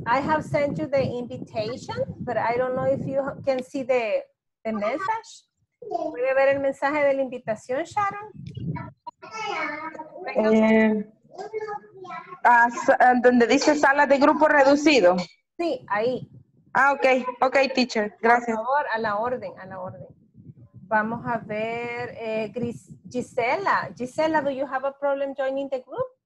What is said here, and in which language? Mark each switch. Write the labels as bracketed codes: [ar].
[en] I have sent you the invitation, but I don't know if you can see the message. [es] ¿Puede ver el mensaje de la invitación, Sharon? ¿Dónde dice sala de grupo reducido? Sí, ahí. Ah, ok. Ok, teacher. Gracias. Por favor, a la orden, a la orden. Vamos a ver, Gisela. [en] Gisela, do you have a problem joining the group?